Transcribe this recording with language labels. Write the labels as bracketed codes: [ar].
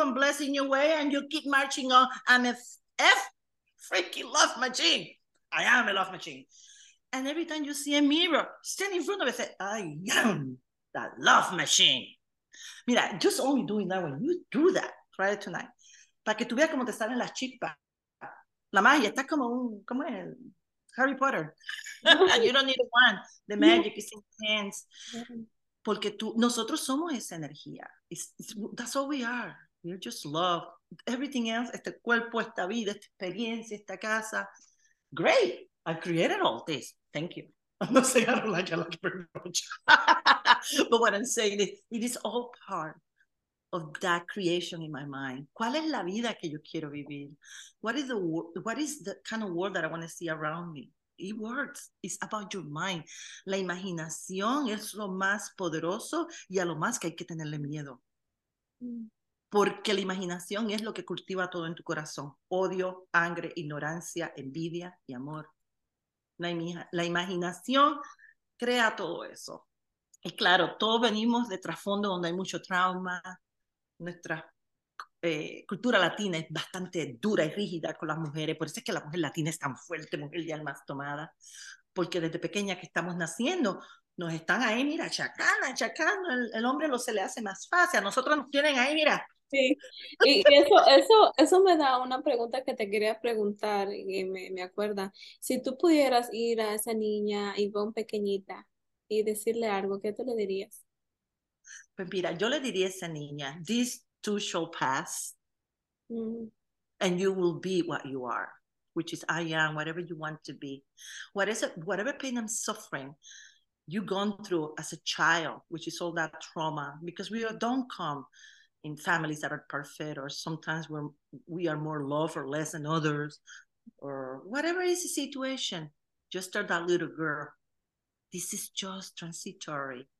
[en] I'm blessing your way. And you keep marching on. I'm a freaking love machine. I am a love machine. And every time you see a mirror, stand in front of it, say, I am that love machine. Mira, just only doing that when you do that, try it tonight. [es] Para que tú veas cómo te salen las chispas. La magia está como un, como el Harry Potter. [en] You don't need a wand. The magic is in your hands. Porque tú, nosotros somos esa energía. That's all we are. We're just love. [es] Everything else, este cuerpo, esta vida, esta experiencia, esta casa. [en] Great. I created all this. Thank you. I'm not saying I don't like it very much. But what I'm saying is, it is all part of that creation in my mind. [es] ¿Cuál es la vida que yo quiero vivir? [en] What is the kind of world that I want to see around me? It works. It's about your mind. [es] La imaginación es lo más poderoso y a lo más que hay que tenerle miedo. Porque la imaginación es lo que cultiva todo en tu corazón. Odio, anger, ignorancia, envidia y amor. La imaginación crea todo eso. Y claro, todos venimos de trasfondo donde hay mucho trauma. Nuestra cultura latina es bastante dura y rígida con las mujeres. Por eso es que la mujer latina es tan fuerte, mujer de almas tomadas. Porque desde pequeña que estamos naciendo, nos están ahí, mira, chacana, chacana. El hombre lo se le hace más fácil. A nosotros nos tienen ahí, mira. Sí, y eso me da una pregunta que te quería preguntar, y me acuerda. Si tú pudieras ir a esa niña Ivonne pequeñita y decirle algo, ¿qué tú le dirías? [en] Pues mira, yo le diría a esa niña, these two shall pass, and you will be what you are, which is I am, whatever you want to be. Whatever pain and suffering you've gone through as a child, which is all that trauma, because we don't come in families that are perfect, or sometimes we are more loved or less than others, or whatever is the situation, just tell that little girl, this is just transitory.